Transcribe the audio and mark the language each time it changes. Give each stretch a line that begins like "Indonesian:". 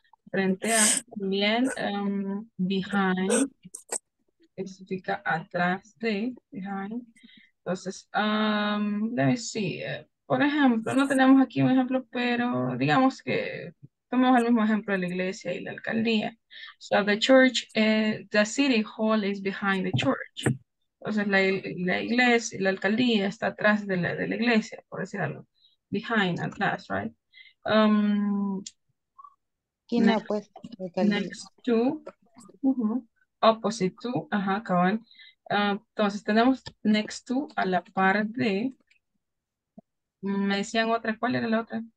Spanish: Frente a, también, behind, que significa atrás de, behind. Entonces,
English: let me see.
Spanish: Por ejemplo, no tenemos aquí un ejemplo, pero digamos que tomamos el mismo ejemplo de la iglesia y la alcaldía.
English: So, the church, the city hall is behind the church.
Spanish: Entonces, la iglesia, la alcaldía está atrás de la iglesia, por decir algo.
English: Behind, atrás, right?
Spanish: ¿Quién ha puesto la
English: alcaldía? Next to, opposite to, ajá, acaban.
Spanish: Entonces, tenemos next to, a la par de, me decían otra, ¿cuál era la otra?